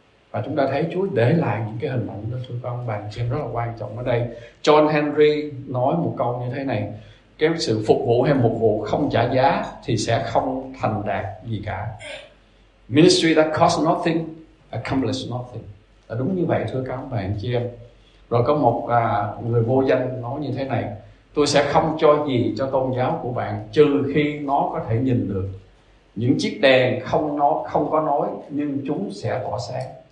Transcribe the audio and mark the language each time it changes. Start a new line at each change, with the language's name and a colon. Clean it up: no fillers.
Vietnamese: Và chúng ta thấy Chúa để lại những cái hình ảnh đó, thưa các ông bà anh chị em, rất là quan trọng ở đây. John Henry nói một câu như thế này: cái sự phục vụ hay mục vụ không trả giá thì sẽ không thành đạt gì cả.
English: Ministry that costs nothing accomplishes nothing.
Vietnamese: Là đúng như vậy, thưa các ông bà anh chị em. Rồi có một người vô danh nói như thế này: tôi sẽ không cho gì cho tôn giáo của bạn trừ khi nó có thể nhìn được. Những chiếc đèn không có nói nhưng chúng sẽ tỏa sáng.